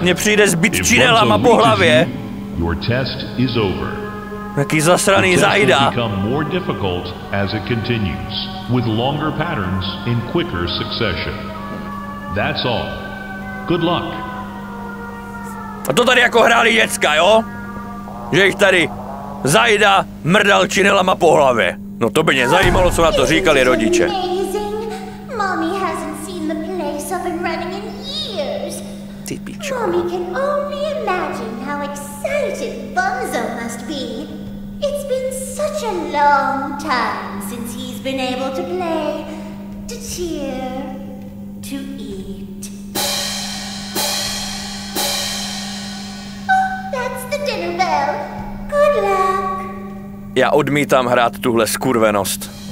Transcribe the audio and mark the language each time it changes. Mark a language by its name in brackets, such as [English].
[Czech] Mně přijde zbyt činelama po hlavě. [English] Your test is over. [Czech] Jaký zasraný zajda. [English] The test will become more difficult as it continues, with longer patterns in quicker succession. That's all. Good luck. [Czech] A to tady jako hráli děcka, jo? Že jich tady zajda mrdal činelama po hlavě. No to by mě zajímalo, co na to říkali rodiče. [English] Mommy hasn't seen the place I've been running in years. [Czech] Ty pičo. [English] Mommy can only imagine how excited Bunzo must be. It's been such a long time since he's been able to play, to cheer, to eat. Oh, that's the dinner bell. Good luck. [Czech] Já odmítám hrát tuhle skurvenost.